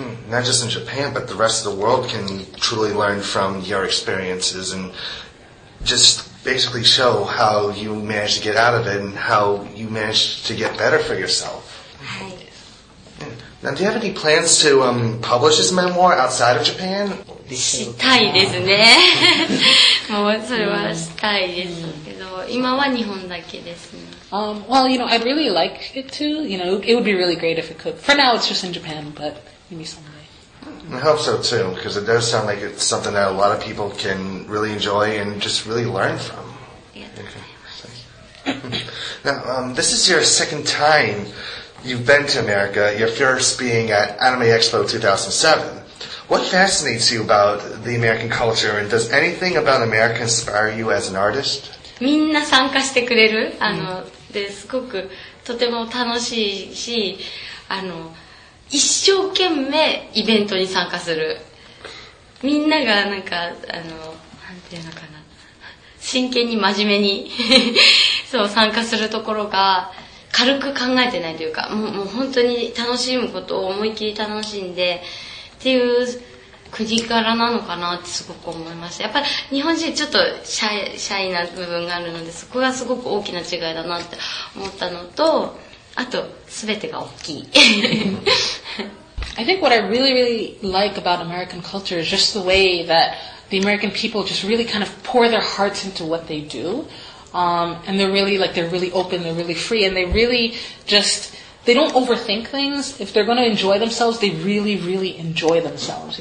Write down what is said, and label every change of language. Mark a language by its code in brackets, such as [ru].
[en] Not just in Japan, but the rest of the world can truly learn from your experiences and just basically show how you managed to get out of it and how you managed to get better for yourself. Now, do you have any plans to publish this memoir outside of Japan? [ja] したいですね。もうそれはしたいですけど、今は日本だけですね。 [en] Well, you know, I'd really like it to. You know, it would be really great if it could. For now, it's just in Japan, but maybe someday. I hope so too, because it does sound like it's something that a lot of people can really enjoy and just really learn from. Now, this is your second time you've been to America, your first being at Anime Expo 2007. What fascinates you about the American culture, and does anything about America inspire you as an artist? [ja] みんな参加してくれる、あの、で、すごくとても楽しいし、あの、一生懸命イベントに参加する。みんながなんか、あの、なんていうのかな、真剣に真面目にそう参加するところが軽く考えてないというか、もう本当に楽しむことを思い切り楽しんで、っていう国柄なのかなってすごく思いました。やっぱり日本人ちょっとシャイな部分があるので、そこがすごく大きな違いだなって思ったのと、あと全てが大きい。 [en] I think what I really, really like about American culture is just the way that the American people just really kind of pour their hearts into what they do. And they're really, like, they're really open, they're really free, and they really just... They don't overthink things. If they're going to enjoy themselves, they really, really enjoy themselves.